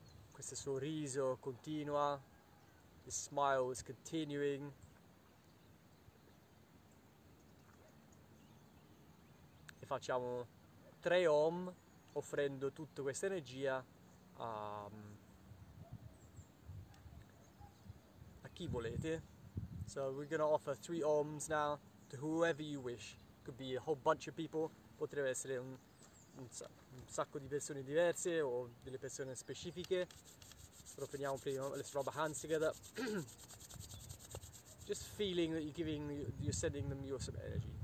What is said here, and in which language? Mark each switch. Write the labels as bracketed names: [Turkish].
[Italian] Questo sorriso continua, [English] the smile is continuing. [Italian] E facciamo tre om offrendo tutta questa energia a chi volete. [English] So we're going to offer three ohms now to whoever you wish. Could be a whole bunch of people. [Italian] Potrebbe essere un sacco di persone diverse o delle persone specifiche. Proponiamo prima, [English] let's rub our hands together. Just feeling that you're sending them your some energy.